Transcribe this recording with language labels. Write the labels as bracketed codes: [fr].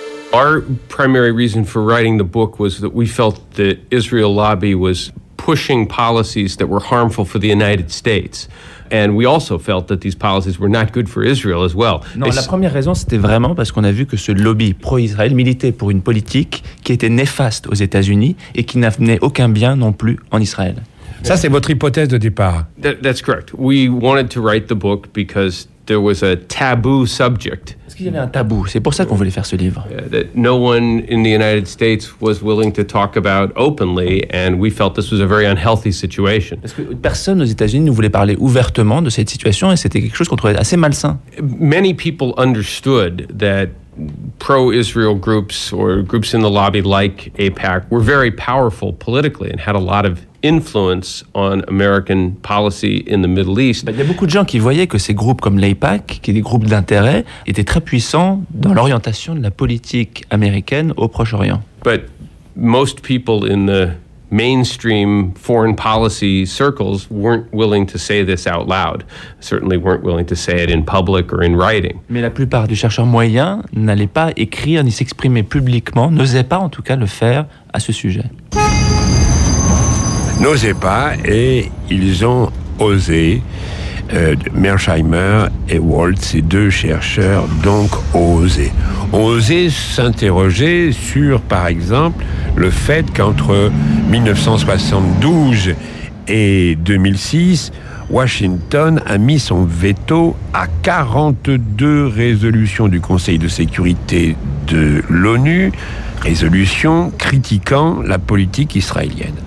[en] Our primary reason for writing the book was that we felt the Israel lobby was pushing policies that were harmful for the United States. And we also felt that these policies were not good for Israel as well. [fr] Non, la première raison, c'était vraiment parce qu'on a vu que ce lobby pro-Israël militait pour une politique qui était néfaste aux États-Unis et qui n'amenait aucun bien non plus en Israël. Ça, c'est votre hypothèse de départ. [en] That's correct. We wanted to write the book because there was a taboo subject. [fr] Est-ce qu'il y avait un tabou? C'est pour ça qu'on voulait faire ce livre. [en] That no one in the United States was willing to talk about openly, and we felt this was a very unhealthy situation. [fr] Parce que personne aux États-Unis ne voulait parler ouvertement de cette situation, et c'était quelque chose qu'on trouvait assez malsain. [en] Many people understood that pro-Israel groups or groups in the lobby like AIPAC were very powerful politically and had a lot of influence on American policy in the Middle East. [fr] Il y a beaucoup de gens qui voyaient que ces groupes comme l'AIPAC, qui est des groupes d'intérêt, étaient très puissants dans l'orientation de la politique américaine au Proche-Orient. [en] But most people in the mainstream foreign policy circles weren't willing to say this out loud. Certainly weren't willing to say it in public or in writing. [fr] Mais la plupart des chercheurs moyens n'allaient pas écrire ni s'exprimer publiquement, n'osaient pas en tout cas le faire à ce sujet. N'osaient pas et ils ont osé. Mersheimer et Walt, ces deux chercheurs, donc ont osé s'interroger sur, par exemple, le fait qu'entre 1972 et 2006, Washington a mis son veto à 42 résolutions du Conseil de sécurité de l'ONU, résolution critiquant la politique israélienne.